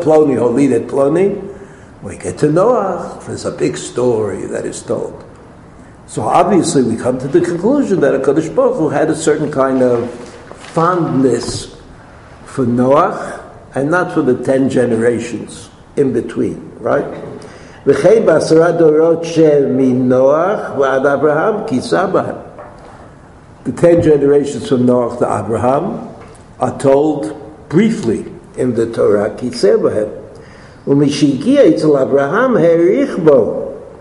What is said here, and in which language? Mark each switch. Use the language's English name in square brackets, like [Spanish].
[English] Ploni holi that ploni. We get to Noach. There's a big story that is told. So obviously we come to the conclusion that HaKadosh Baruch Hu had a certain kind of fondness for Noach and not for the 10 generations in between, right? [Hebrew] וכן בעשרה דורות שמנוח ועד אברהם כיסה בהם. [English] The 10 generations from Noach to Abraham are told briefly in the Torah [Hebrew] כיסה בהם. ומשהגיע אצל אברהם העריך בו.